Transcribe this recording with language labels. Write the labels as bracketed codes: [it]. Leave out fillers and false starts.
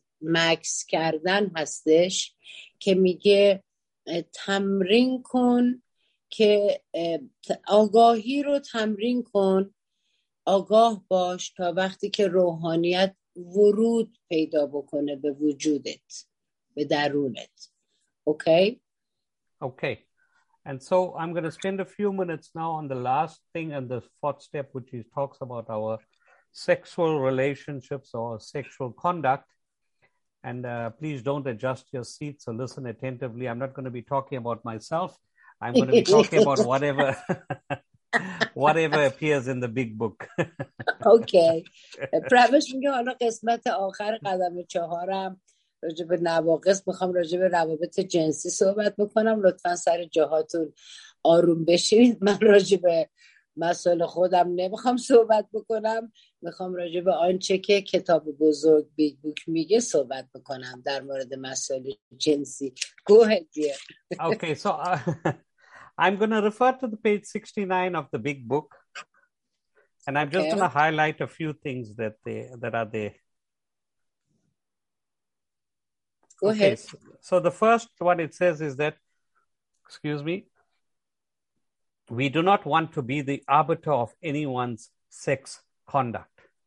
[fa] مکس کردن هستش که میگه تمرین کن که آگاهی رو تمرین کن، آگاه باش تا وقتی که روحانیت ورود پیدا بکنه به وجودت، به درونت. اوکی؟ اوکی. [en] And so I'm going to spend a few minutes now on the last thing and the fourth step, which is talks about our sexual relationships or sexual conduct. And please don't adjust your seats or listen attentively. I'm not going to be talking about myself. I'm going to be talking about whatever whatever appears in the big book. Okay. [fa] Pravesh میگه حالا قسمت آخر قدم چهارم راجع به نواقص میخوام راجع به روابط جنسی صحبت بکنم. لطفا سر جاهاتون آروم بشینید. من راجع به مسئله خودم نمیخوام صحبت بکنم. میخوام راجع به آنچه که کتاب بزرگ بیگ بوک میگه صحبت بکنم در مورد مسئله جنسی. [en] Go ahead, dear. Okay, so I'm going to refer to the page 69 of the big book. And I'm just going to highlight a few things that are there. Go ahead. So the first one it says is that, excuse me, we do not want to be the arbiter of anyone's sex conduct.